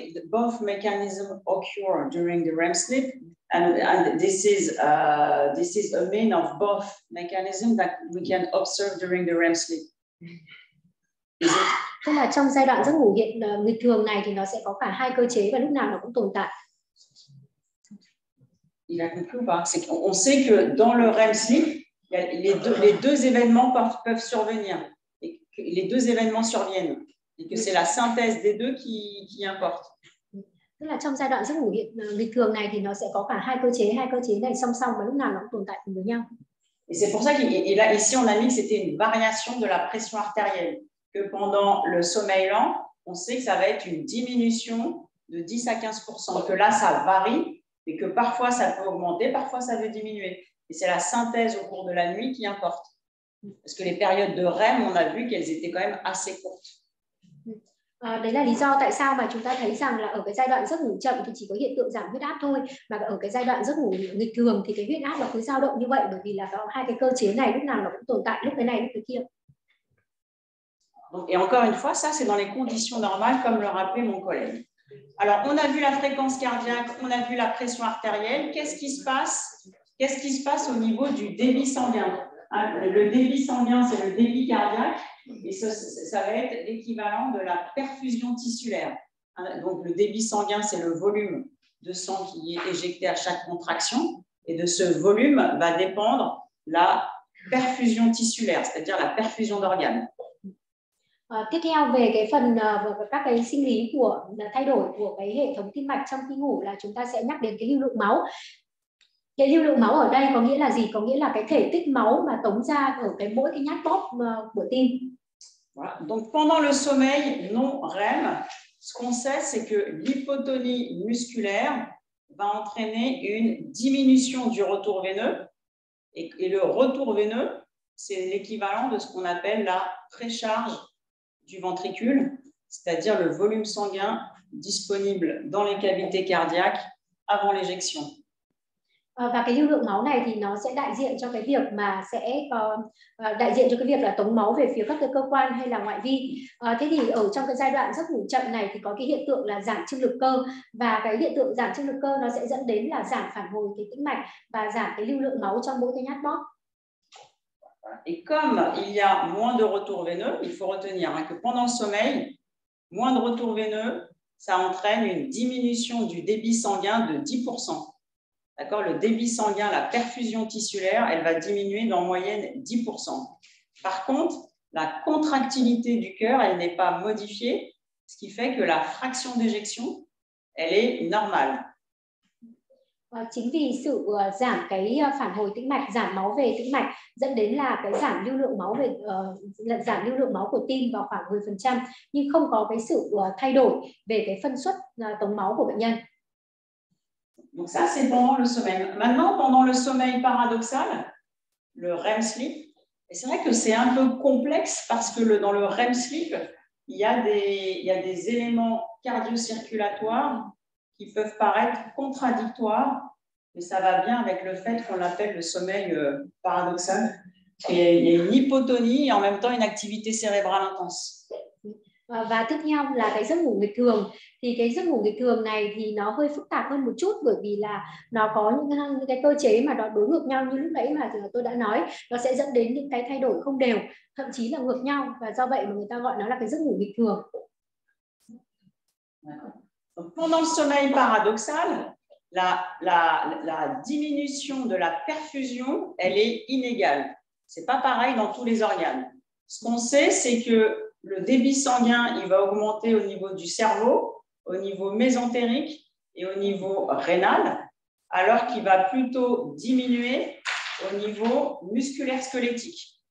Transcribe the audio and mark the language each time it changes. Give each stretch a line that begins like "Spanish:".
English: Both mechanisms occur during the REM sleep, and this is a mean of both mechanisms that we can observe during the REM sleep.
Vietnamese: Tức là trong giai đoạn giấc ngủ hiện bình thường này thì nó sẽ có cả hai cơ chế và lúc nào nó cũng tồn tại.
French: Il a compris pas. C'est qu'on sait que dans le REM sleep, les deux événements peuvent survenir. Les deux événements surviennent et que c'est la synthèse des deux qui importe.
Vietnamese: Tức là trong giai đoạn giấc ngủ bình thường này thì nó sẽ có cả hai cơ chế này song song và lúc nào nó cũng tồn tại cùng với nhau.
French: Et c'est pour ça qu'et là ici on a mis que c'était une variation de la pression artérielle, que pendant le sommeil lent, on sait que ça va être une diminution de 10 à 15%, que là ça varie et que parfois ça peut augmenter, parfois ça veut diminuer. Et c'est la synthèse au cours de la nuit qui importe. Parce que les périodes de REM, on a vu qu'elles étaient quand même assez courtes.
Vietnamese: Đấy là lý do tại sao mà chúng ta thấy rằng là ở cái giai đoạn giấc ngủ chậm thì chỉ có hiện tượng giảm huyết áp thôi, mà ở cái giai đoạn giấc ngủ nghịch thường thì cái huyết áp nó cứ dao động như vậy, bởi vì là có hai cái cơ chế này lúc nào nó cũng tồn tại, lúc cái này lúc cái kia.
French: Et encore une fois, ça c'est dans les conditions normales, comme le rappelait mon collègue. Alors, on a vu la fréquence cardiaque, on a vu la pression artérielle. Qu'est-ce qui se passe au niveau du débit sanguin? Le débit sanguin, c'est le débit cardiaque, et ça va être l'équivalent de la perfusion tissulaire. Donc le débit sanguin, c'est le volume de sang qui est éjecté à chaque contraction, et de ce volume va dépendre la perfusion tissulaire, c'est-à-dire la perfusion d'organes.
Vietnamese: Tiếp theo về cái phần các cái sinh lý của thay đổi của cái hệ thống tim mạch trong khi ngủ là chúng ta sẽ nhắc đến cái lưu lượng máu. Cái lưu lượng máu ở đây có nghĩa là gì? Có nghĩa là cái thể tích máu mà tống ra ở cái mỗi cái nhát bóp của tim.
French: Voilà. Donc pendant le sommeil non REM, ce qu'on sait c'est que l'hypotonie musculaire va entraîner une diminution du retour veineux, et le retour veineux c'est l'équivalent de ce qu'on appelle la précharge du ventricule, c'est-à-dire le volume sanguin disponible dans les cavités cardiaques avant l'éjection.
Vietnamese: Và cái lưu lượng máu này thì nó sẽ đại diện cho cái việc mà sẽ đại diện cho cái việc là tống máu về phía các cái cơ quan hay là ngoại vi. Thế thì ở trong cái giai đoạn giấc ngủ chậm này thì có cái hiện tượng là giảm trương lực cơ, và cái hiện tượng giảm trương lực cơ nó sẽ dẫn đến là giảm phản hồi cái tĩnh mạch và giảm cái lưu lượng máu trong mỗi cái nhát bóp.
French: Et comme il y a moins de retour veineux, il faut retenir que pendant le sommeil, moins de retour veineux, ça entraîne une diminution du débit sanguin de 10%. D'accord, le débit sanguin, la perfusion tissulaire, elle va diminuer d'en moyenne 10%. Par contre, la contractilité du cœur, elle n'est pas modifiée, ce qui fait que la fraction d'éjection, elle est normale.
Vietnamese: Chính vì sự giảm cái phản hồi tĩnh mạch, giảm máu về tĩnh mạch dẫn đến là cái giảm lưu lượng máu về giảm lưu lượng máu của tim vào khoảng 10%, nhưng không có cái sự thay đổi về cái phân suất tống máu của bệnh nhân.
French: Donc ça c'est pendant le sommeil. Maintenant pendant le sommeil paradoxal, le REM sleep, et c'est vrai que c'est un peu complexe parce que dans le REM sleep, il y a des éléments cardio-circulatoires qui peuvent paraître contradictoires, mais ça va bien avec le fait qu'on l'appelle le sommeil paradoxal. Il y a une hypotonie et en même temps une activité cérébrale intense.
Vietnamese: Và tiếp theo là cái giấc ngủ bình thường. Thì cái giấc ngủ bình thường này thì nó hơi phức tạp hơn một chút bởi vì là nó có những cái cơ chế mà nó đối ngược nhau như lúc nãy mà tôi đã nói. Nó sẽ dẫn đến những cái thay đổi không đều, thậm chí là ngược nhau. Và do vậy mà người ta gọi nó là cái giấc ngủ bình thường.
French: Pendant le sommeil paradoxal, la diminution de la perfusion, elle est inégale. C'est pas pareil dans tous les organes. Ce qu'on sait, c'est que le débit sanguin, il va augmenter au niveau du cerveau, au niveau mésentérique et au niveau rénal, alors qu'il va plutôt diminuer au niveau musculaire squelettique.